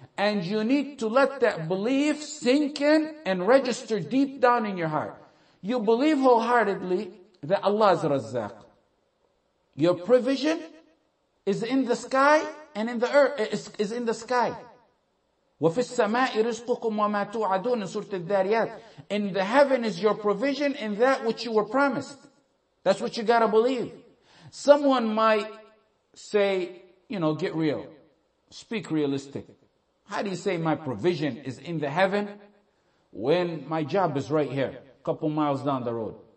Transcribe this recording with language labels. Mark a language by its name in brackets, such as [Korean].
[English] And you need to let that belief sink in and register deep down in your heart. You believe wholeheartedly that Allah is Razzaq. Your provision is in the sky and in the earth, is in the sky. [Arabic] وَفِي السَّمَاءِ رِزْقُكُمْ وَمَا تُوْعَدُونَ in Surah Al-Dhariyat. [English] In the heaven is your provision in that which you were promised. That's what you gotta believe. Someone might say, you know, get real. Speak realistic. How do you say my provision is in the heaven when my job is right here, a couple miles down the road?